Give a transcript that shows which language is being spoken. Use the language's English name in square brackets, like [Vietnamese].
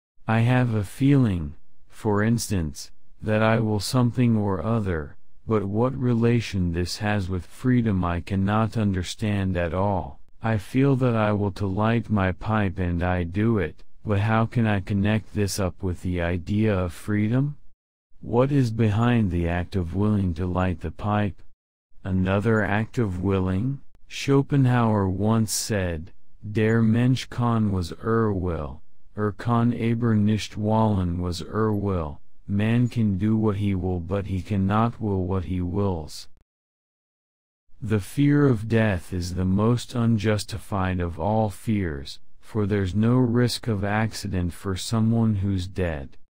[English] I have a feeling, for instance, that I will something or other, but what relation this has with freedom I cannot understand at all. I feel that I will to light my pipe and I do it, but how can I connect this up with the idea of freedom? What is behind the act of willing to light the pipe? Another act of willing? Schopenhauer once said, [German] Der Mensch kann was will, kann aber nicht wollen was will. [English] Man can do what he will but he cannot will what he wills. The fear of death is the most unjustified of all fears, for there's no risk of accident for someone who's dead.